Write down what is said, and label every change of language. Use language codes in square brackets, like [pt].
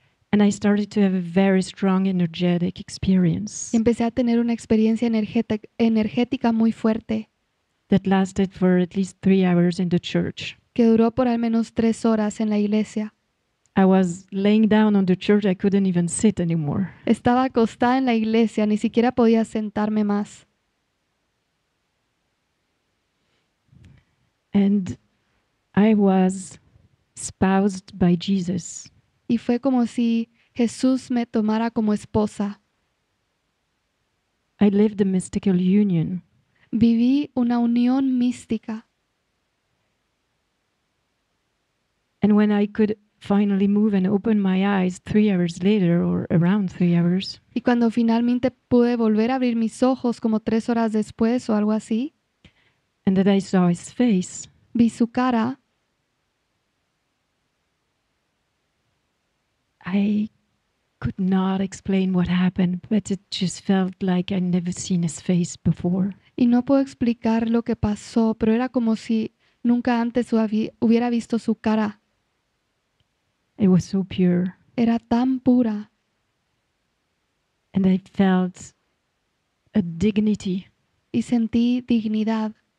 [en] And I started to have a very strong energetic experience. [es] Y empecé a tener una experiencia energética muy fuerte. [en] That lasted for at least 3 hours in the church. [es] Que duró por al menos 3 horas en la iglesia. [en] I was laying down on the church, I couldn't even sit anymore. [es] Estaba acostada en la iglesia, ni siquiera podía sentarme más. [en] And I was espoused by Jesus. [es] Y fue como si Jesús me tomara como esposa. [en] I lived a mystical union. [es] Viví una unión mística. [en] And when I could finally move and open my eyes 3 hours later, or around 3 hours. [es] Y cuando finalmente pude volver a abrir mis ojos como 3 horas después o algo así. [en] And that I saw his face. [es] Vi su cara. [en] I could not explain what happened, but it just felt like I'd never seen his face before. [es] Y no puedo explicar lo que pasó, pero era como si nunca antes hubiera visto su cara. [en] It was so pure. [es] Era tan pura. [en] And I felt a dignity. [es] Y sentí dignidad.